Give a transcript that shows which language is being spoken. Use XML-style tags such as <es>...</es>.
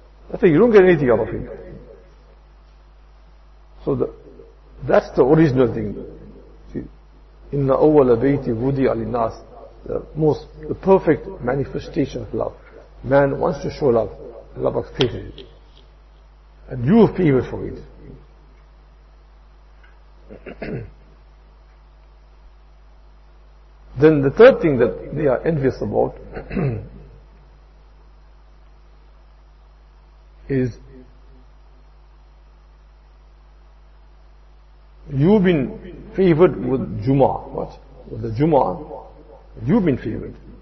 <en>That's it, you don't get anything out of it. So that's the original thing. See,</en> <ar>إِنَّ أَوَّلَ بَيْتِ وُدِيَ لِلنَّاسِ.</ar> <en>The perfect manifestation of love. Man wants to show love, love created it. And you have favored for it. Then the third thing that they are envious about is you've been favored with Jummah. What? With the Jummah. You've been favored.</en>